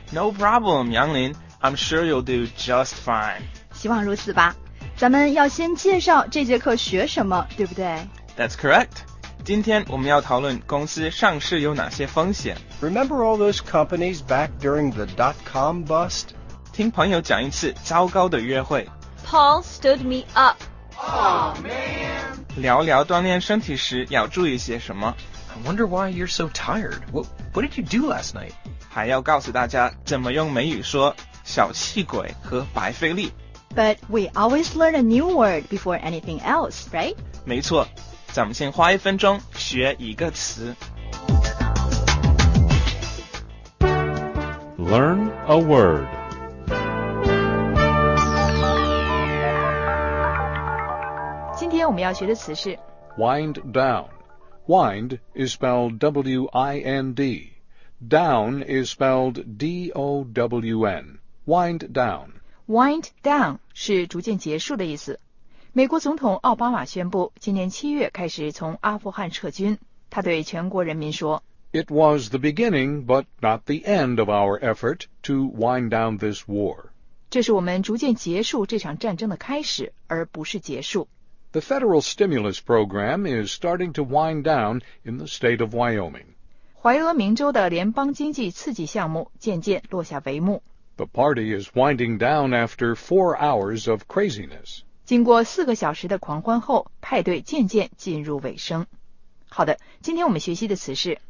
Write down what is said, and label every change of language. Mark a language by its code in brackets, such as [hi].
[en] No problem 杨林 I'm sure you'll do just fine [zh] 希望如此吧咱们要先介绍这节课学什么对不对 [en] That's correct [zh] 今天我们要讨论公司上市有哪些风险 [en] Remember all those companies back during the dot-com bust? [zh] 听朋友讲一次糟糕的约会 [en] Paul stood me up Aw, man [zh] 聊聊锻炼身体时要注意些什么 [en] I wonder why you're so tired What did you do last night? [zh] 还要告诉大家怎么用美语说小气鬼和白费力 [en] But we always learn a new word before anything else, right? [zh] 没错咱们先花一分钟学一个词 [en] Learn a word [zh] 今天我们要学的词是 [en] Wind down Wind is spelled W-I-N-D Down is spelled D-O-W-N Wind down [zh] Wind down 是逐渐结束的意思美国总统奥巴马宣布今年七月开始从阿富汗撤军他对全国人民说 [en] It was the beginning but not the end of our effort to wind down this war [zh] 这是我们逐渐结束这场战争的开始而不是结束 [en] The federal stimulus program is starting to wind down in the state of Wyoming [zh] 怀俄明州的联邦经济刺激项目渐渐落下帷幕 [en] The party is winding down after 4 hours of craziness [zh] 经过四个小时的狂欢后派对渐渐进入尾声好的今天我们学习的词是